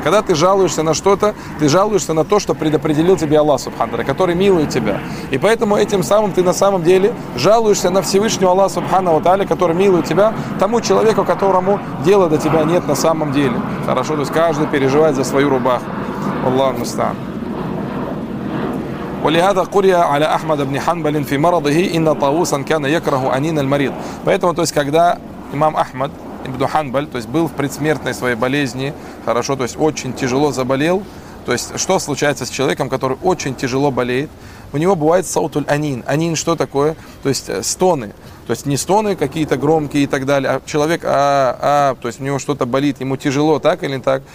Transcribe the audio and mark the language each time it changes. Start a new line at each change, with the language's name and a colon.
Russian: Когда ты жалуешься на что-то, ты жалуешься на то, что предопределил тебе Аллах Субханта, который милует тебя. И поэтому этим самым ты на самом деле жалуешься на Всевышнего Аллаха Субханта, который милует тебя, тому человеку, которому дела до тебя нет на самом деле. Хорошо, то есть каждый переживает за свою рубаху. Аллах мустан.
Arabic: ولهذا قرئ على أحمد بن حنبل في مرضه إن طاووسا كان يكره أنين المريض.
Russian: Поэтому, то есть, когда имам Ахмад ибн Ханбаль, то есть, был в предсмертной своей болезни, хорошо, то есть, очень тяжело заболел. То есть, что случается с человеком, который очень тяжело болеет? У него бывает саутуль анин. Анин что такое? То есть, стоны. То есть, не стоны какие-то громкие и так далее, а человек, то есть, у него что-то болит, ему тяжело, так или не так?